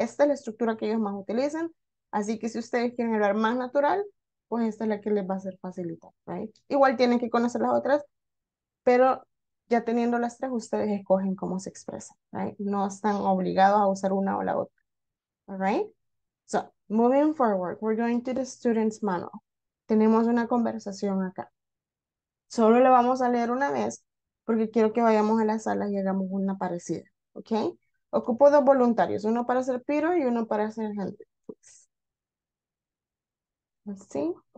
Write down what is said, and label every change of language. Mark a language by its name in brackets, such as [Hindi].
[Spanish] Esta es la estructura que ellos más utilizan, así que si ustedes quieren hablar más natural, pues esta es la que les va a ser facilitar, ¿right? Igual tienen que conocer las otras, pero ya teniendo las tres, ustedes escogen cómo se expresan, ¿right? No están obligados a usar una o la otra, ¿right? [English] So, moving forward, we're going to the student's manual. [Spanish] Tenemos una conversación acá. Solo la vamos a leer una vez porque quiero que vayamos a la sala y hagamos una parecida, ¿ok? Ocupo dos voluntarios, uno para ser Peter y uno para ser Henry. Así.